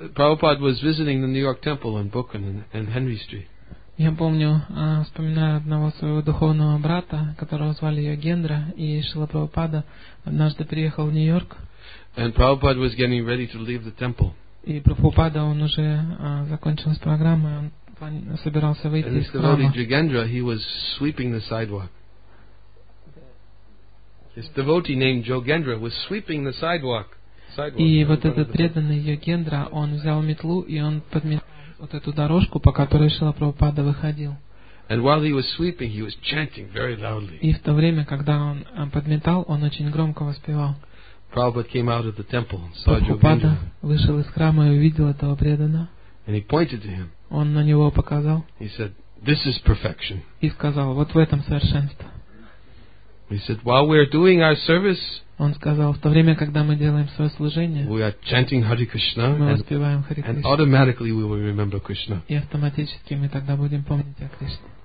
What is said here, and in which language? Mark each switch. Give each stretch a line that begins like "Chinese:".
English: Prabhupada was visiting the New York Temple in Brooklyn and Henry Street.
Russian: Я помню, вспоминаю одного своего духовного брата, которого звали Йогендра, и Шрила Прабхупада однажды приехал в Нью-Йорк.
English: And Prabhupada was getting ready to leave the temple.
Russian: И Прабхупада, он уже закончил с программой, он собирался выйти из храма.
English: And this devotee, Jogendra, he was sweeping the sidewalk. This devotee named Jogendra was sweeping the sidewalk.
Russian: И вот этот преданный Йогендра, он взял метлу, и он подметил вот эту дорожку, по которой Шрила Прабхупада выходил.
English: And while he was sweeping, he was chanting very loudly.
Russian: И в то время, когда он подметал, он очень громко воспевал.
English: Prabhupada came out of the temple and saw Jogendra.
Russian: Прабхупада вышел из храма и увидел этого преданного.
English: And he pointed to him.
Russian: Он на него показал.
English: He said, "This is perfection."
Russian: И сказал, вот в этом совершенство.
English: He said, "While we are doing our service."
Russian: Он сказал, в то время, когда мы делаем свое служение,
English: we are chanting Hare Krishna,
Russian: мы воспеваем Харе
English: Кришну, and automatically we will remember Krishna.
Russian: И автоматически мы тогда будем помнить о Кришне.